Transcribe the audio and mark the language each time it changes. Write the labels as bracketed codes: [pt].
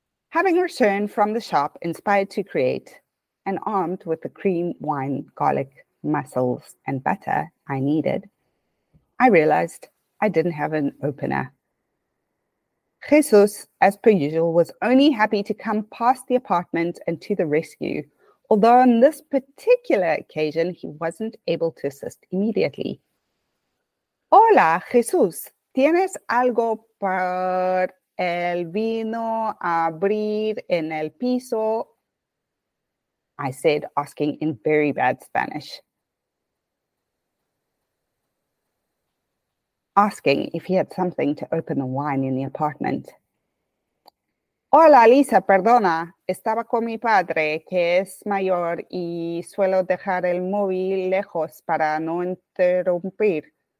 [en] Having returned from the shop inspired to create and armed with the cream, wine, garlic, mussels, and butter I needed, I realized I didn't have an opener. Jesus, as per usual, was only happy to come past the apartment and to the rescue, although on this particular occasion, he wasn't able to assist immediately. [es] Hola, Jesus, ¿tienes algo para el vino abrir en el piso? [en] I said, asking in very bad Spanish. Asking if he had something to open the wine in the apartment. [es] Hola, Lisa, perdona. Estaba con mi padre, que es mayor, y suelo dejar el móvil lejos para no interrumpir.